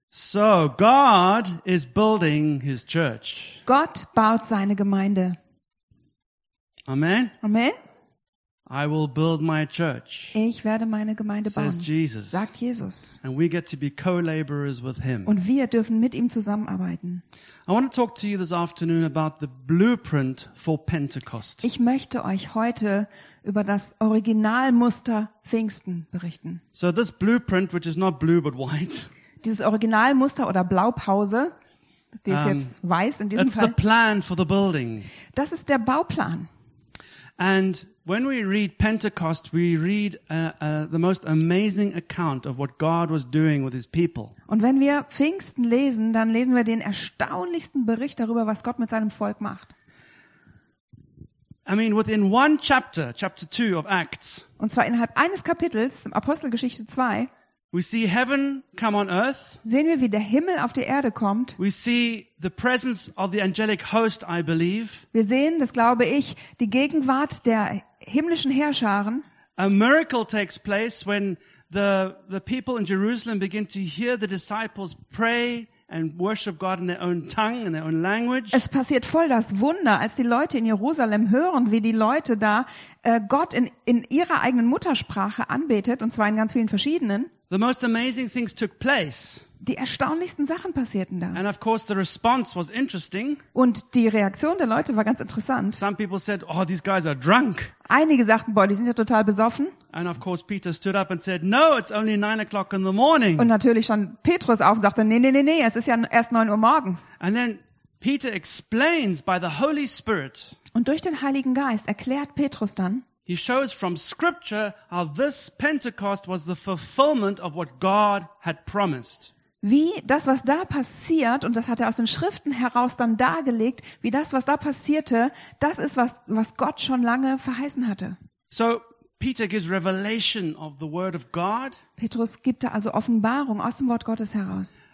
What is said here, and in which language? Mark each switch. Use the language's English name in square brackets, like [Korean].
[English] So God is building his church. [German] Gott baut seine Gemeinde. [English] Amen. [German] Amen. [English] I will build my church. [German] Ich werde meine Gemeinde bauen. [English] Says Jesus. [German] Sagt Jesus. [English] And we get to be co-laborers with him. [German] Und wir dürfen mit ihm zusammenarbeiten. [English] I want to talk to you this afternoon about the blueprint for Pentecost. [German] Ich möchte euch heute über das Originalmuster Pfingsten berichten. [English] So this blueprint, which is not blue but white. [German] Dieses Originalmuster oder Blaupause, die ist jetzt weiß in diesem Fall. [English] The plan for the building. [German] Das ist der Bauplan. [English] And when we read Pentecost, we read the most amazing account of what God was doing with his people. [German] Und wenn wir Pfingsten lesen, dann lesen wir den erstaunlichsten Bericht darüber, was Gott mit seinem Volk macht. [English] I mean, within one chapter, chapter 2 of Acts. [German] Und zwar innerhalb eines Kapitels, Apostelgeschichte 2. [English] We see heaven come on earth. [German] Sehen wir, wie der Himmel auf die Erde kommt. [English] We see the presence of the angelic host, I believe. [German] Wir sehen, das glaube ich, die Gegenwart der himmlischen Heerscharen. [English] A miracle takes place when the people in Jerusalem begin to hear the disciples pray and worship God in their own tongue, in their own language. [German] Es passiert voll das Wunder, als die Leute in Jerusalem hören, wie die Leute da Gott in ihrer eigenen Muttersprache anbetet, und zwar in ganz vielen verschiedenen. [English] The most amazing things took place. [German] Die erstaunlichsten Sachen passierten da. [English] And of course the response was interesting. [German] Und die Reaktion der Leute war ganz interessant. [English] Some people said, "Oh, these guys are drunk." [German] Einige sagten, boah, die sind ja total besoffen. [English] And of course Peter stood up and said, "No, it's only 9 o'clock in the morning." [German] Und natürlich stand Petrus auf und sagte, nee, es ist ja erst 9 Uhr morgens. [English] And then Peter explains by the Holy Spirit. [German] Und durch den Heiligen Geist erklärt Petrus dann. [English] He shows from scripture how this Pentecost was the fulfillment of what God had promised. [German] Wie das, was da passiert, und das hat er aus den Schriften heraus dann dargelegt, wie das, was da passierte, das ist, was Gott schon lange verheißen hatte. [English] So Peter gives revelation of the word of God. [German] Petrus gibt da also Offenbarung aus dem Wort Gottes heraus.